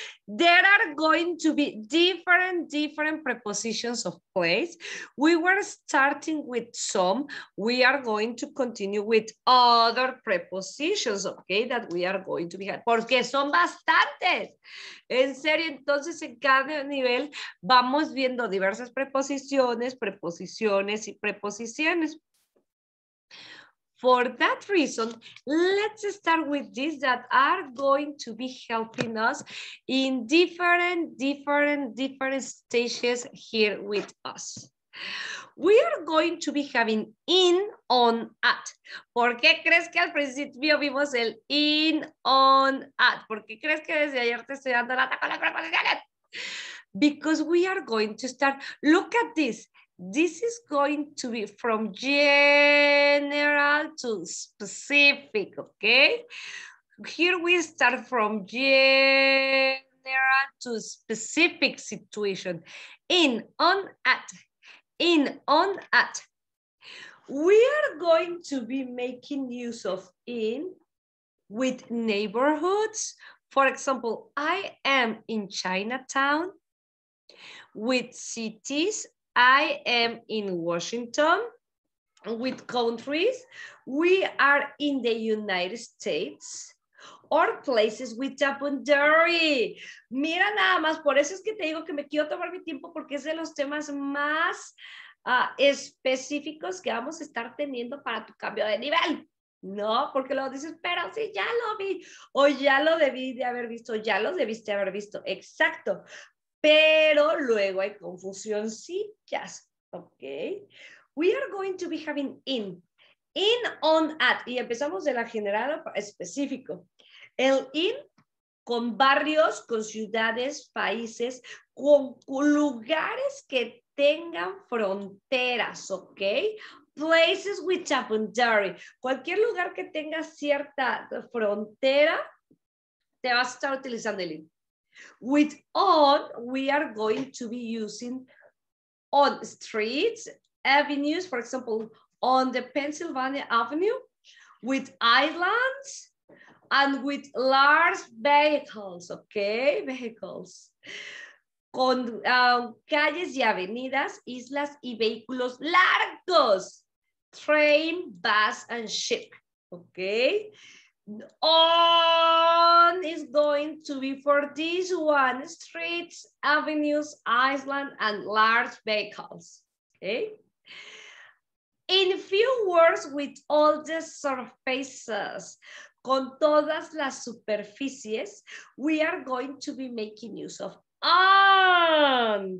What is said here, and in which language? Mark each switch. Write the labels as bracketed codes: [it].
[en] There are going to be different prepositions of place. We were starting with some. We are going to continue with other prepositions, okay, that we are going to be having, [es] porque son bastantes. En serio, entonces en cada nivel vamos viendo diversas preposiciones, preposiciones y preposiciones. [en] For that reason, let's start with these that are going to be helping us in different stages here with us. We are going to be having in, on, at. [es] ¿Por qué crees que al principio vimos el in, on, at? ¿Por qué crees que desde ayer te estoy dando lata con las preposiciones? [en] Because we are going to start, look at this. This is going to be from general to specific, okay? Here we start from general to specific situation. In, on, at. In, on, at. We are going to be making use of in with neighborhoods. For example, I am in Chinatown. With cities, I am in Washington. With countries, we are in the United States. Or places with tap and dairy. [es] Mira nada más, por eso es que te digo que me quiero tomar mi tiempo porque es de los temas más específicos que vamos a estar teniendo para tu cambio de nivel. No, porque luego dices, pero sí, ya lo vi. O ya lo debí de haber visto, ya lo debiste haber visto. Exacto. Pero luego hay confusión, sí, ya. Ok. [en] We are going to be having in. In, on, at. [es] Y empezamos de la general específico. El in con barrios, con ciudades, países, con lugares que tengan fronteras, ¿ok? [en] Places with tap and dairy. [es] Cualquier lugar que tenga cierta frontera, te vas a estar utilizando el in. [en] With on, we are going to be using on streets, avenues, for example, on the Pennsylvania Avenue, with islands, and with large vehicles, okay, vehicles. [es] Con calles y avenidas, islas y vehículos largos. [en] Train, bus, and ship, okay. On is going to be for this one, streets, avenues, islands, and large vehicles, okay. In few words, with all the surfaces, [es] con todas las superficies, [en] we are going to be making use of on.